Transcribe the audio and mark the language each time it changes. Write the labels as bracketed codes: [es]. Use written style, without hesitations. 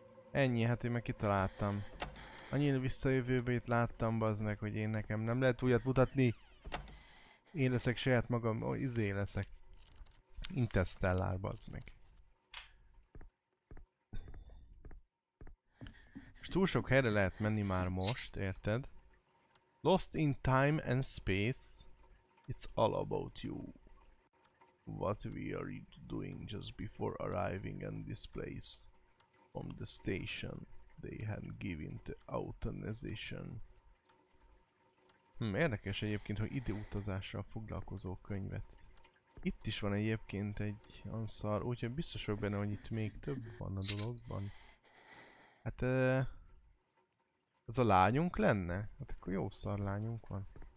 [hu] Ennyi, hát én meg kitaláltam. Annyi visszajövőbét láttam, bazd meg, hogy én nekem nem lehet újat mutatni. Én leszek saját magam, leszek. Interstellar, bazd meg. És túl sok helyre lehet menni már most, érted? [en] Lost in time and space, it's all about you. What we are doing just before arriving in this place from the station they had given the authorization. [hu] Érdekes egyébként, hogy időutazással foglalkozó könyvet. Itt is van egyébként egy anszar, úgyhogy biztos vagyok benne, hogy itt még több van a dologban. Hát az a lányunk lenne? Hát akkor jó szar lányunk van.